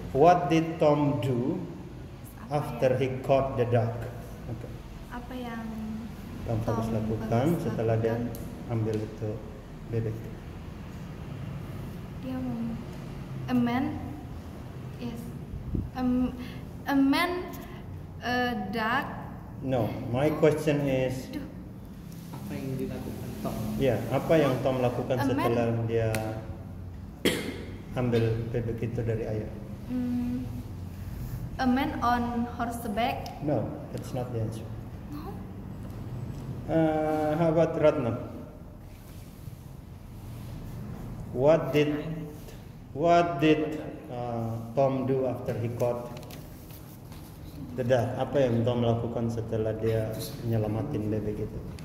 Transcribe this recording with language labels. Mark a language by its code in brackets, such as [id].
[en] What did Tom do after he caught the duck? Okay. [id] Apa yang Tom Fagus lakukan setelah dia ambil itu bebek? Dia a man duck. [en] No, my question is [id] apa yang dilakukan Tom? Yeah, apa yang Tom lakukan setelah dia ambil bebek itu dari ayah? [en] A man on horseback? No, that's not the answer. No. How about Ratna? What did Tom do after he caught the duck? [id] Apa yang Tom lakukan setelah dia menyelamatin bebek itu?